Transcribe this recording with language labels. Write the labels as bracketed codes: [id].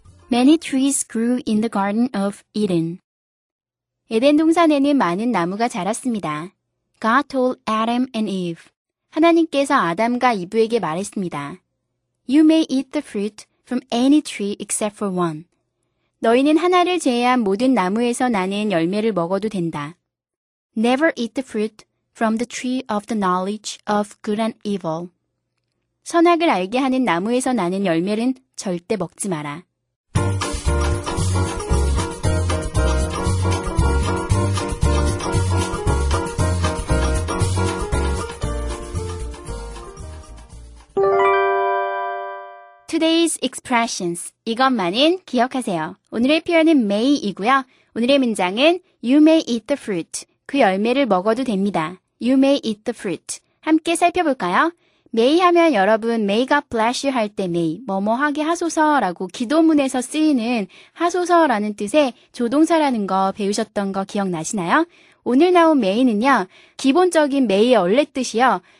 [en] Many trees grew in the Garden of Eden. [ko] 에덴 동산에는 많은 나무가 자랐습니다. [en] God told Adam and Eve. [ko] 하나님께서 아담과 이브에게 말했습니다. [en] You may eat the fruit from any tree except for one. [ko] 너희는 하나를 제외한 모든 나무에서 나는 열매를 먹어도 된다. [en] Never eat the fruit from the tree of the knowledge of good and evil. [ko] 선악을 알게 하는 나무에서 나는 열매는 절대 먹지 마라. [en] 'Today's expressions' [ko] 이것만은 기억하세요. 오늘의 표현은 may이고요. 오늘의 문장은 [en] You may eat the fruit. [ko] 그 열매를 먹어도 됩니다. [en] You may eat the fruit. [ko] 함께 살펴볼까요? may 하면 여러분 [en] may God bless you [ko] 할 때 may, 뭐뭐하게 하소서라고 기도문에서 쓰이는 하소서라는 뜻의 조동사라는 거 배우셨던 거 기억나시나요? 오늘 나온 may는요. 기본적인 may의 원래 뜻이요.